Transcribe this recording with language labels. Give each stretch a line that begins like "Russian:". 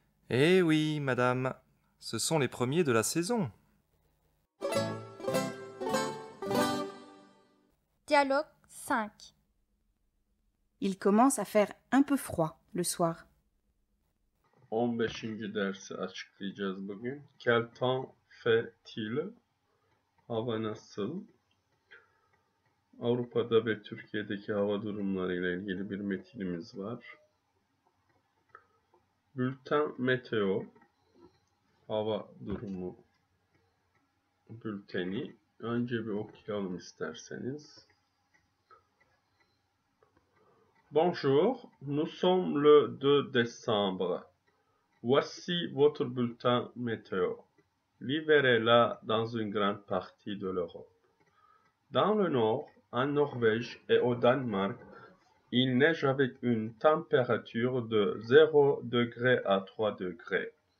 French: Eh oui, madame, ce sont les premiers de la saison. Dialogue 5. Il commence à faire un peu froid le soir. 15.
Turkish: Dersi açıklayacağız bugün.
French: Quel temps fait-il?
Turkish: Hava nasıl? Avrupa'da ve Türkiye'deki hava durumları ile ilgili bir metinimiz var. Bülten meteo, hava durumu bülteni. Önce bir okuyalım isterseniz.
French: Bonjour, nous sommes le 2 décembre. Voici votre bulletin météo. L'hiver est là dans une grande partie de l'Europe. Dans le nord, en Norvège et au Danemark, il neige avec une température de 0 degré à 3 degrés.